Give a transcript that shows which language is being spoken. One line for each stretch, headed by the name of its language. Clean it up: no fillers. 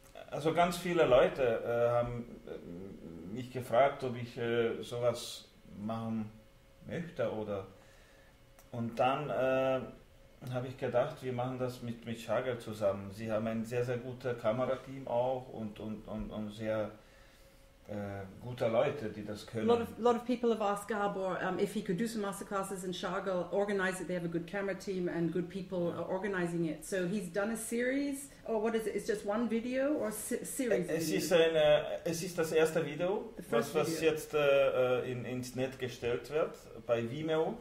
German: Also ganz viele Leute haben mich gefragt, ob ich sowas machen möchte oder. Und dann habe ich gedacht, wir machen das mit Shargel zusammen. Sie haben ein sehr, sehr gutes Kamerateam auch und sehr gute Leute, die das können.
English: A lot of people have asked Gabor if he could do some masterclasses and Shargel organize it. They have a good camera team and good people are organizing it. So he's done a series, or what is it? It's just one video or series?
German: Es ist das erste Video, was jetzt ins Netz gestellt wird bei Vimeo.